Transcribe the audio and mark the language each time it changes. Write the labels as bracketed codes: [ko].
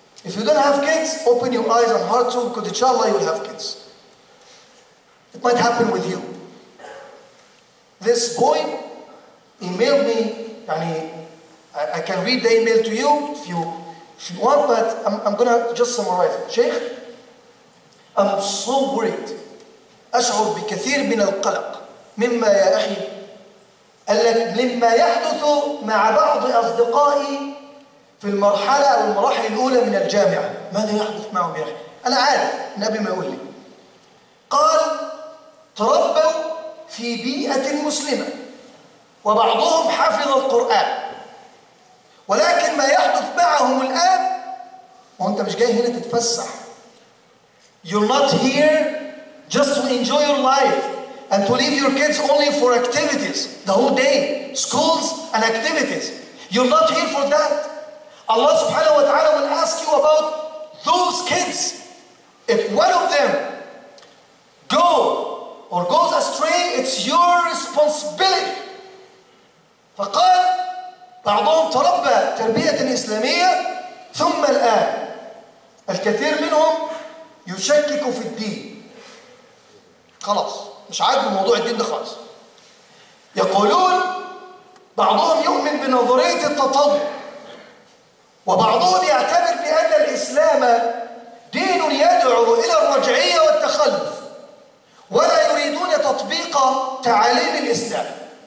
[en] If you don't have kids, open your eyes and heart too, because inshallah you'll have kids. It might happen with you. This boy emailed me, yani, I can read the email to you if you want, but I'm gonna just summarize it. Sheikh, I'm so worried. [ar] أشعر بكثير من القلق مما يا أخي لما يحدث مع بعض أصدقائي في المرحلة أو المراحل الأولى من الجامعة. ماذا يحدث معهم يا أخي؟ أنا عارف النبي ما يقول لي. قال تربوا في بيئة مسلمة وبعضهم حفظ القرآن، ولكن ما يحدث معهم الآن، وأنت مش جاي هنا تتفسح. [en] You're not here just to enjoy your life and to leave your kids only for activities the whole day, schools and activities. You're not here for that. Allah subhanahu wa ta'ala will ask you about those kids. If one of them goes astray, it's your responsibility. [ar] فقال بعضهم تربى تربية إسلامية ثم الآن الكثير منهم يشكك في الدين. خلاص مش عاجبه موضوع الدين ده خالص. يقولون بعضهم يؤمن بنظرية التطور، وبعضهم يعتبر بأن الإسلام دين يدعو إلى الرجعية والتخلف، ولا يريدون تطبيق تعاليم الإسلام.